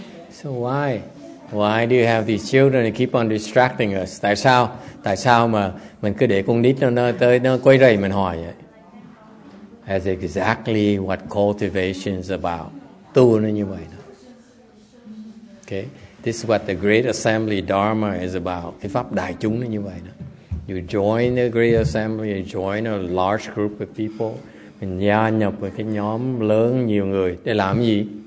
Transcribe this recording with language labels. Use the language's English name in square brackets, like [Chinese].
[English] So why? Why do you have these children that keep on distracting us? [Vietnamese] Tại sao? Tại sao mà mình cứ để con nít nó tới nó quấy rầy mình hỏi vậy? [English] That's exactly what cultivation is about. [Vietnamese] Tu nó như vậy. [English] Okay? This is what the Great Assembly Dharma is about. [Vietnamese] Cái pháp đại chúng nó như vậy đó. [English] You join the Great Assembly, you join a large group of people. [Vietnamese] Mình gia nhập với cái nhóm lớn nhiều người để làm gì?